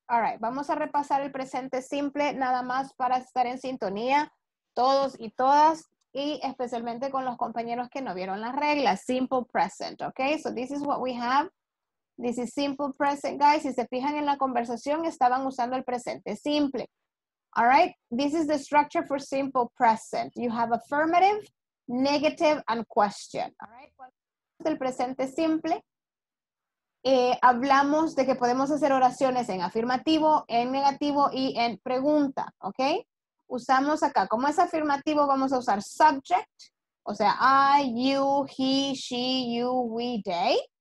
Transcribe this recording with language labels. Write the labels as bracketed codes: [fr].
[en] All right, [es] vamos a repasar el presente simple, nada más para estar en sintonía, todos y todas, y especialmente con los compañeros que no vieron las reglas. [en] Simple present, okay? So this is what we have. This is simple present, guys. [es] Si se fijan en la conversación, estaban usando el presente simple. [en] All right, this is the structure for simple present. You have affirmative, negative, and question. All right, [es] cuando es el presente simple, hablamos de que podemos hacer oraciones en afirmativo, en negativo y en pregunta, ¿ok? Usamos acá, como es afirmativo, vamos a usar [en] subject, [es] o sea, I, you, he, she, you, we, they.